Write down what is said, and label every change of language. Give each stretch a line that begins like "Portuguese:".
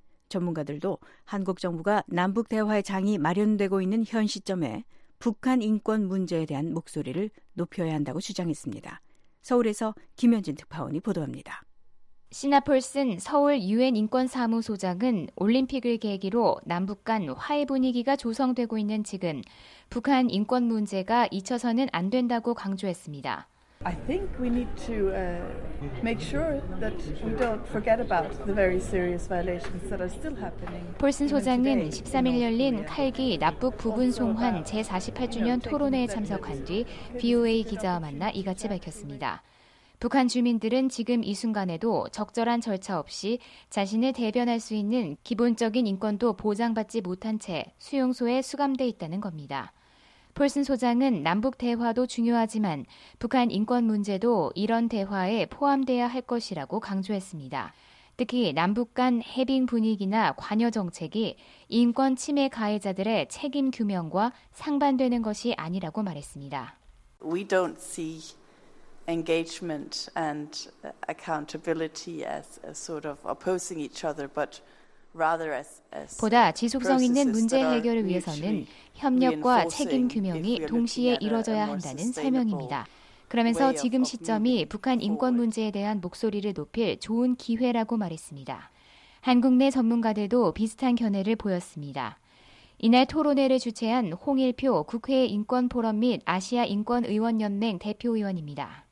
Korean: 전문가들도 한국 정부가 남북 대화의 장이 마련되고 있는 현 시점에 북한 인권 문제에 대한 목소리를 높여야 한다고 주장했습니다. 서울에서 김현진 특파원이 보도합니다. 시나 폴슨 서울 유엔 인권사무소장은 올림픽을 계기로 남북 간 화해 분위기가 조성되고 있는 지금 북한 인권 문제가 잊혀서는 안 된다고 강조했습니다.
English: I think we need to make sure that we don't forget about the very serious violations that are still happening.
Korean: 폴슨 소장은 13일 열린 칼기 납북 부분 송환 제48주년 토론회에 참석한 뒤 VOA 기자와 만나 이같이 밝혔습니다. 북한 주민들은 지금 이 순간에도 적절한 절차 없이 자신을 대변할 수 있는 기본적인 인권도 보장받지 못한 채 수용소에 수감돼 있다는 겁니다. 폴슨 소장은 남북 대화도 중요하지만 북한 인권 문제도 이런 대화에 포함돼야 할 것이라고 강조했습니다. 특히 남북 간 해빙 분위기나 관여 정책이 인권 침해 가해자들의 책임 규명과 상반되는 것이 아니라고 말했습니다.
English: We don't see engagement and accountability as a sort of opposing each other, but rather as
Korean: 보다 지속성 있는 문제 해결을 위해서는 협력과 책임 규명이 동시에 이루어져야 한다는 설명입니다. 그러면서 지금 시점이 북한 인권 문제에 대한 목소리를 높일 좋은 기회라고 말했습니다. 한국 내 전문가들도 비슷한 견해를 보였습니다. 이날 토론회를 주최한 홍일표 국회 인권포럼 및 아시아 인권의원연맹 대표의원입니다.